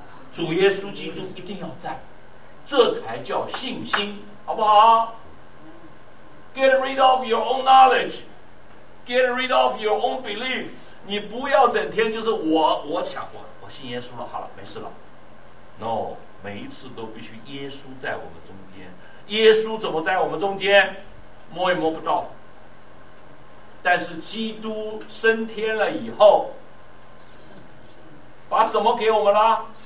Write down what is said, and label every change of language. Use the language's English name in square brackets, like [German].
[Chinese] 主耶稣基督一定要在，这才叫信心，好不好？ [English] Get rid of your own knowledge, get rid of your own belief。 [Chinese] 你不要整天就是我想我信耶稣了，好了，没事了。 No, 每一次都必须耶稣在我们中间。耶稣怎么在我们中间？摸也摸不到。但是基督升天了以后，把什么给我们了？